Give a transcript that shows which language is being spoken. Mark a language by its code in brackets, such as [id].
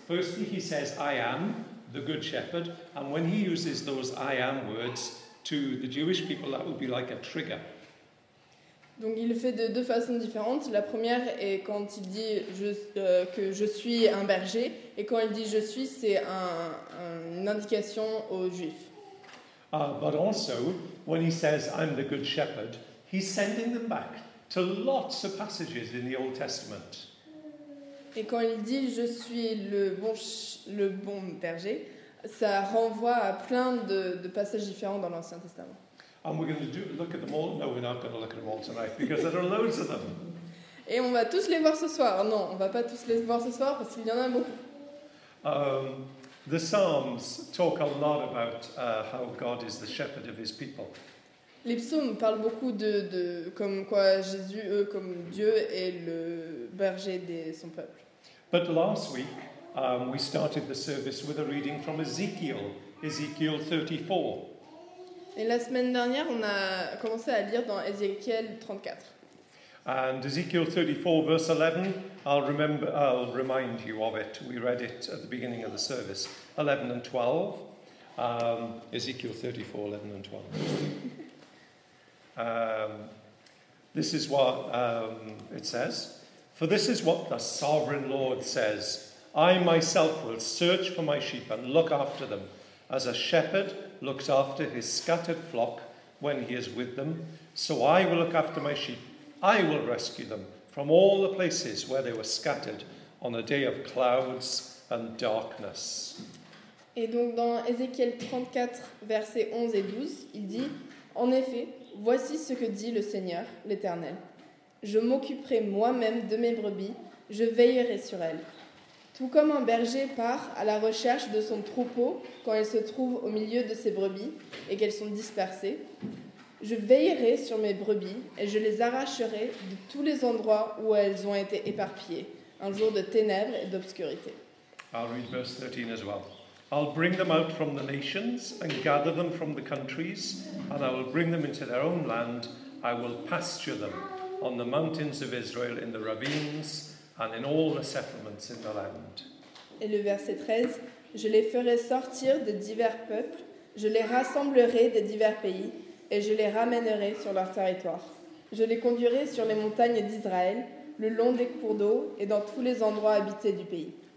[en] Firstly, he says « I am » the good shepherd, and when he uses those I am words to the Jewish people, that would be like a trigger. [fr] Donc il le fait de deux façons différentes. La première est quand il dit que je suis un berger, et quand il dit je suis, c'est une indication aux Juifs. [en] But also, when he says, I'm the good shepherd, he's sending them back to lots of passages in the Old Testament. [fr] Et quand il dit, je suis le bon berger, ça renvoie à plein de passages différents dans l'Ancien Testament. [en] And we're going to look at them all. No, we're not going to look at them all tonight, because there are loads of them. [fr] Et on va tous les voir ce soir. Non, on va pas tous les voir ce soir parce qu'il y en a beaucoup. [en] The Psalms talk a lot about how God is the shepherd of his people. [fr] Les psaumes parlent beaucoup de comme quoi Jésus, comme Dieu est le berger de son peuple. [en] But last week, we started the service with a reading from Ezekiel, Ezekiel 34. [fr] Et la semaine dernière, on a commencé à lire dans Ézéchiel 34. [en] And Ezekiel 34, verse 11, I'll remind you of it. We read it at the beginning of the service. 11 and 12. Ezekiel 34, 11 and 12. This is what it says. For this is what the sovereign Lord says. I myself will search for my sheep and look after them as a shepherd looks after his scattered flock when he is with them. So I will look after my sheep. I will rescue them from all the places where they were scattered on a day of clouds and darkness. [fr] Et donc dans Ézéchiel 34, versets 11 et 12, il dit, en effet, voici ce que dit le Seigneur, l'Éternel. Je m'occuperai moi-même de mes brebis, je veillerai sur elles. Tout comme un berger part à la recherche de son troupeau quand il se trouve au milieu de ses brebis et qu'elles sont dispersées, je veillerai sur mes brebis et je les arracherai de tous les endroits où elles ont été éparpillées, un jour de ténèbres et d'obscurité. [en] I'll read verse 13 as well. I'll bring them out from the nations and gather them from the countries, and I will bring them into their own land. I will pasture them on the mountains of Israel, in the ravines, and in all the settlements in the land. [fr] Et le verset 13, je les ferai sortir de divers peuples, je les rassemblerai des divers pays, et je les ramènerai sur leur territoire. Je les conduirai sur les montagnes d'Israël, le long des cours d'eau et dans tous les endroits habités du pays.